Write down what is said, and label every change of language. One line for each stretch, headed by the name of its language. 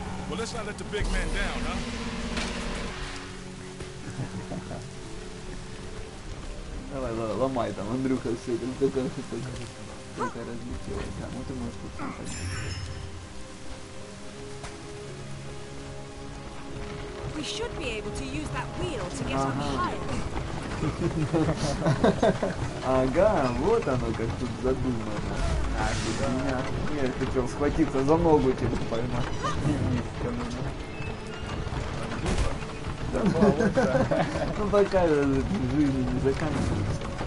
English: Well, let's not let the big man down, huh?
Russian: Давай, давай, ломай там, Андрюха, все, там только разлетелось. Да, ну ты можешь тут сомкать.
English: We should be able to use that wheel to get up higher.
Russian: Ага, вот оно как тут задумано. А, куда меня? Я хотел схватиться за ногу, типа, поймать. Ну, пока жизнь не заканчивается.